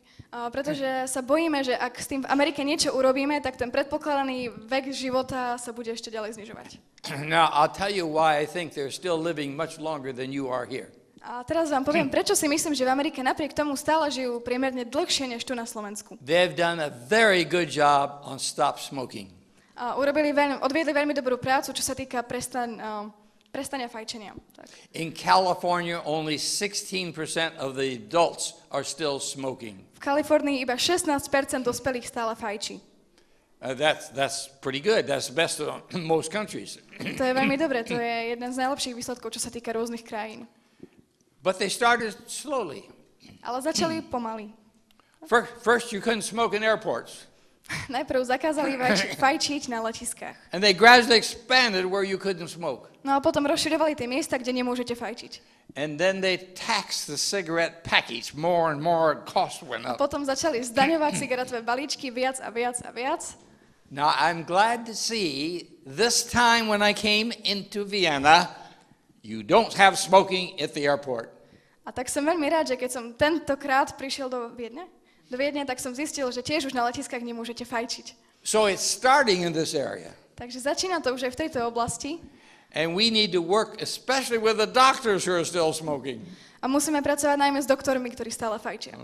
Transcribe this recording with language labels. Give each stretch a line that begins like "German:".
Slovak: Pretože sa bojíme, že ak s tým v Amerike niečo urobíme, tak ten predpokladaný vek života sa bude ešte ďalej znižovať.
English: Now, I'll tell you why I think they're still living much longer than you are here.
Slovak: A teraz vám poviem, prečo si myslím, že v Amerike napriek tomu stále žijú priemerne dlhšie než tu na Slovensku.
English: They've done a very good job on stop smoking.
Slovak: A urobili odviedli veľmi dobrú prácu, čo sa týka prestania fajčenia. Tak.
English: In California only 16% of the adults are still smoking.
Slovak: V Kalifornii iba 16% dospelých stále fajčí.
English: That's pretty good. That's the best of most countries.
Slovak: To je veľmi dobre. To je jeden z najlepších výsledkov, čo sa týka rôznych krajín.
English: But they started slowly.
Slovak: Ale začali pomaly.
English: First you couldn't smoke in airports.
Slovak: Najprv zakázali fajčiť na letiskách.
English: And they gradually expanded where you couldn't smoke.
Slovak: No a potom rozširovali tie miesta, kde nemôžete fajčiť.
English: And then they taxed the cigarette packets more and more, and cost went up.
Slovak: Potom začali zdaňovať cigaretové balíčky viac a viac a viac.
English: Now I'm glad to see this time when I came into Vienna, you don't have smoking at the airport.
Slovak: A tak som veľmi rád, že keď som tentokrát prišiel do Viedne, tak som zistil, že tiež už na letiskách nemôžete fajčiť.
English: So it's starting in this area.
Slovak: Takže začína to už aj v tejto oblasti.
English: And we need to work especially with the doctors who are still smoking.
Slovak: A musíme pracovať najmä s doktormi, ktorí stále fajčia.